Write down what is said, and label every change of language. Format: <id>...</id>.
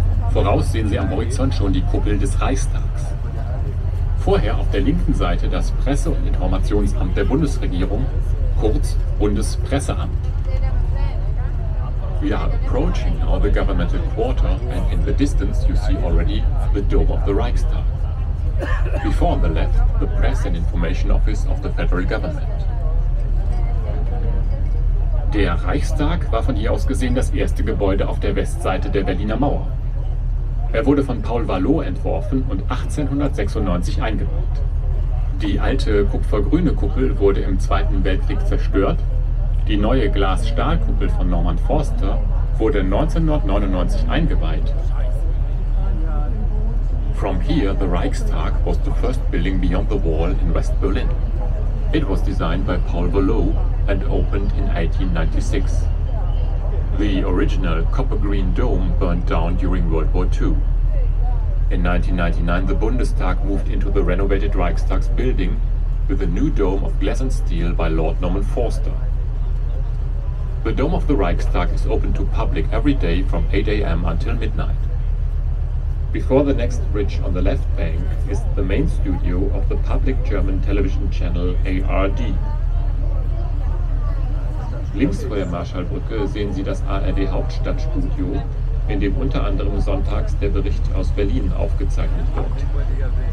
<de>Voraus sehen Sie am Horizont schon die Kuppel des Reichstags. Vorher auf der linken Seite das Presse- und Informationsamt der Bundesregierung, kurz Bundespresseamt.</de> <en>We are approaching now the governmental quarter and in the distance you see already the dome of the Reichstag. Before on the left, the press and information office of the federal government.</en> <de>Der Reichstag war von hier aus gesehen das erste Gebäude auf der Westseite der Berliner Mauer. Er wurde von Paul Valot entworfen und 1896 eingeweiht. Die alte kupfergrüne Kuppel wurde im Zweiten Weltkrieg zerstört. Die neue Glas-Stahl-Kuppel von Norman Foster wurde 1999 eingeweiht.</de> <en>From here, the Reichstag was the first building beyond the wall in West Berlin. It was designed by Paul Valot and opened in 1896. The original copper-green dome burned down during World War II. In 1999, the Bundestag moved into the renovated Reichstag's building with a new dome of glass and steel by Lord Norman Foster. The dome of the Reichstag is open to public every day from 8 a.m. until midnight. Before the next bridge on the left bank is the main studio of the public German television channel ARD.</en> <de>Links vor der Marschallbrücke sehen Sie das ARD-Hauptstadtstudio, in dem unter anderem sonntags der Bericht aus Berlin aufgezeichnet wird.</de>